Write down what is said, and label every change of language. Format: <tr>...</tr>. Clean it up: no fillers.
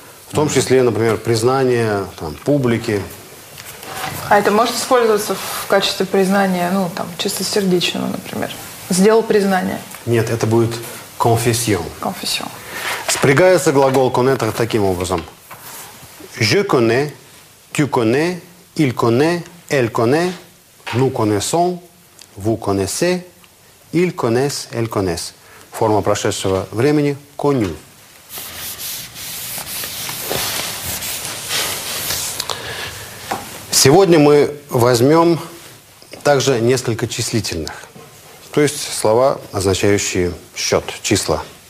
<ru>В том числе, например, признание там, публики. А это может использоваться в качестве признания, ну, там, чисто сердечного, например. Сделал признание. Нет, это будет confession. Confession. Спрягается глагол connaître таким образом.</ru> <fr>Je connais, tu connais, il connaît, elle connaît, nous connaissons, vous connaissez, ils connaissent, elles connaissent.</fr> <ru>Форма прошедшего времени – connu. Сегодня мы возьмем также несколько числительных, то есть слова, означающие счет, числа.</ru>